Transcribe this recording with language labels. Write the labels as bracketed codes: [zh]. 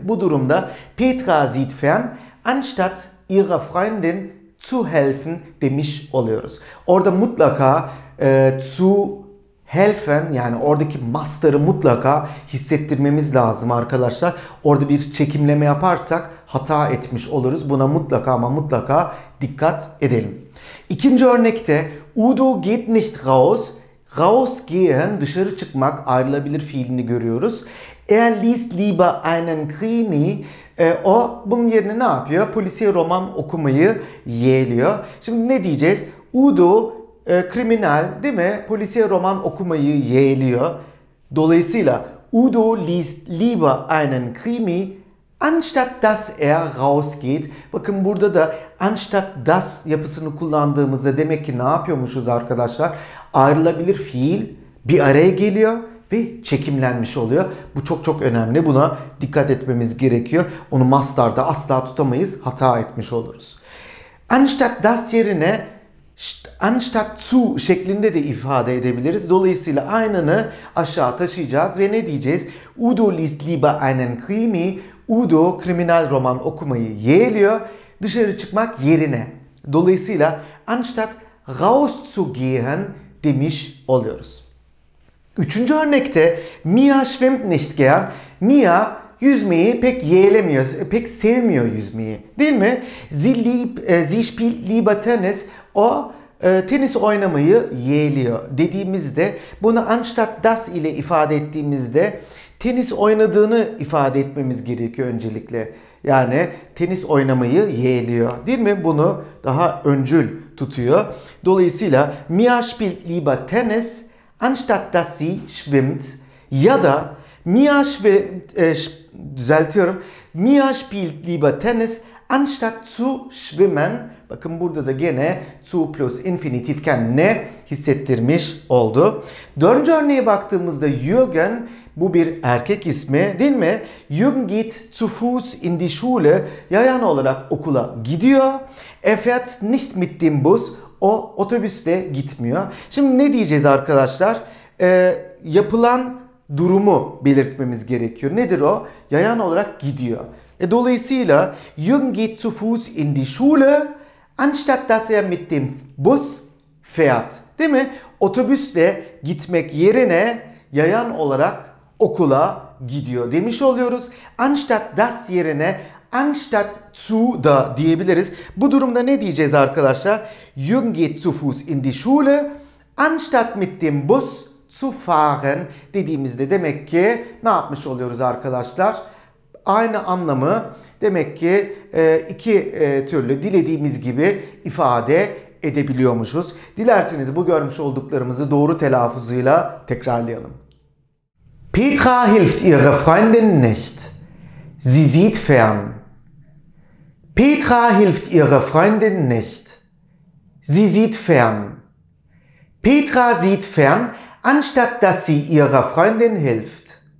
[tr] Bu durumda [de] Petra sieht fern anstatt ihrer Freundin zu helfen [tr] demiş oluyoruz. Orada mutlaka zu helfen yani oradaki master'ı mutlaka hissettirmemiz lazım arkadaşlar. Orada bir çekimleme yaparsak hata etmiş oluruz. Buna mutlaka ama mutlaka dikkat edelim. İkinci örnekte [de] Udo geht nicht raus. [tr] Rausgehen dışarı çıkmak ayrılabilir fiilini görüyoruz. [de] Er liest lieber einen Krimi. [tr] O bunun yerine ne yapıyor? Polisiye roman okumayı yeğliyor. Şimdi ne diyeceğiz? Udo kriminal değil mi? Polisiye roman okumayı yeğliyor. Dolayısıyla [de] Udo liest lieber einen Krimi anstatt dass er rausgeht. [tr] Bakın burada da anstatt das yapısını kullandığımızda demek ki ne yapıyormuşuz arkadaşlar? Ayrılabilir fiil bir araya geliyor ve çekimlenmiş oluyor. Bu çok çok önemli. Buna dikkat etmemiz gerekiyor. Onu master'da asla tutamayız. Hata etmiş oluruz. Anstatt das yerine anstatt zu şeklinde de ifade edebiliriz. Dolayısıyla aynını aşağı taşıyacağız ve ne diyeceğiz? [de] Udo liest lieber einen Krimi. [tr] Udo kriminal roman okumayı yeğliyor. Dışarı çıkmak yerine. Dolayısıyla [de] anstatt rauszugehen [tr] demiş oluyoruz. Üçüncü örnekte [de] Mia schwimmt nicht gern. [tr] Mia yüzmeyi pek yeğlemiyor, pek sevmiyor yüzmeyi. Değil mi? [de] Sie spielt lieber Tennis. [tr] O tenis oynamayı yeğliyor dediğimizde bunu anstatt das ile ifade ettiğimizde tenis oynadığını ifade etmemiz gerekiyor öncelikle. Yani tenis oynamayı yeğliyor değil mi? Bunu daha öncül tutuyor. Dolayısıyla [de] Mia spielt lieber Tennis anstatt dass sie schwimmt [tr] ya da [de] Mia schwimmt, [tr] düzeltiyorum. [de] Mia spielt lieber Tennis anstatt zu schwimmen. [tr] Bakın burada da gene zu plus infinitifken ne hissettirmiş oldu. Dördüncü örneğe baktığımızda Jürgen bu bir erkek ismi değil mi? [de] Jürgen geht zu Fuß in die Schule. [tr] Yayan olarak okula gidiyor. [de] Er fährt nicht mit dem Bus. [tr] O otobüsle gitmiyor. Şimdi ne diyeceğiz arkadaşlar? Yapılan durumu belirtmemiz gerekiyor. Nedir o? Yayan olarak gidiyor. Dolayısıyla [de] Jürgen geht zu Fuß in die Schule. Anstatt dass er mit dem Bus fährt, [tr] değil mi? Otobüsle gitmek yerine yayan olarak okula gidiyor demiş oluyoruz. Anstatt das yerine anstatt zu da diyebiliriz. Bu durumda ne diyeceğiz arkadaşlar? [de] Jürgen geht zu Fuß in die Schule anstatt mit dem Bus zu fahren [tr] dediğimizde demek ki ne yapmış oluyoruz arkadaşlar? Aynı anlamı demek ki iki türlü dilediğimiz gibi ifade edebiliyormuşuz. Dilerseniz bu görmüş olduklarımızı doğru telaffuzuyla tekrarlayalım. [de] Petra hilft ihrer Freundin nicht. Sie sieht fern. Petra hilft ihrer Freundin nicht. Sie sieht fern. Petra sieht fern, anstatt dass sie ihrer Freundin hilft.